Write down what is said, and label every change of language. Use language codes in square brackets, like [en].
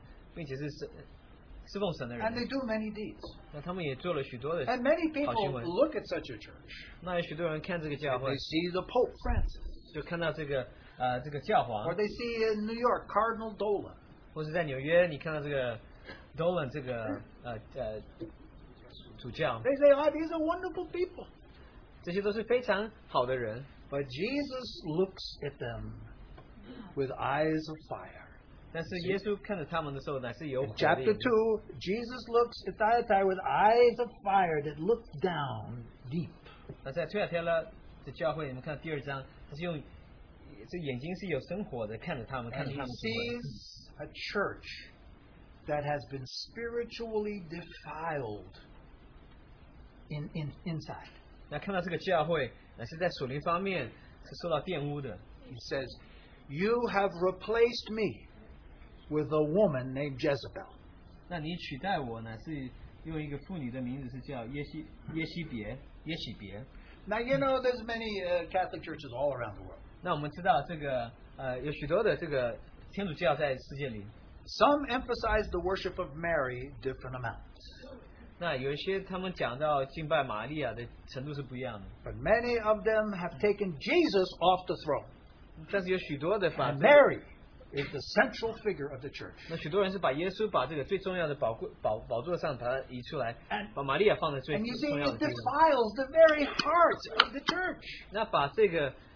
[zh] 许多这些全职的这些侍奉的人，并且是侍奉神的人。 [en] And they do many deeds. [zh] 那他们也做了许多的好行为。 [en] And many people look at such a church. [zh] 那许多人看这个教会。 [en] They see the Pope Francis. [zh] 就看到这个教皇。 [en] Or they see in New York Cardinal Dolan. [zh] 或是在纽约，你看到这个Dolan这个主教。 [en] They say, "Oh, these are wonderful people." [zh] 这些都是非常好的人。 [en] But Jesus looks at them with eyes of fire. [zh] 但是耶稣看着他们的时候, [en] in chapter 2, Jesus looks at Thyatira with eyes of fire that look down deep. [zh] 那在推亚推拉的教会, 你们看到第二章, 他是用, 这眼睛是有生火的, 看着他们, [en] and he sees a church that has been spiritually defiled inside. [zh] 那看到这个教会, 是在属灵方面是受到玷污的。 [en] He says, "You have replaced me with a woman named Jezebel." [zh] 那你取代我呢？是用一个妇女的名字，是叫耶西别。 [en] Now you know there's many Catholic churches all around the world. [zh] 那我们知道这个有许多的这个天主教在世界里。 [en] Some emphasize the worship of Mary different amounts. [zh] 那有些他们讲到敬拜玛利亚的程度是不一样的。 [en] But many of them have taken Jesus off the throne. [zh] 但是有许多的反对。 [en] Mary is the central figure of the church. [zh] 那许多人是把耶稣把这个最重要的宝座上把它移出来, 把玛利亚放在最重要的。 [en] And you see, it defiles the very heart of the church.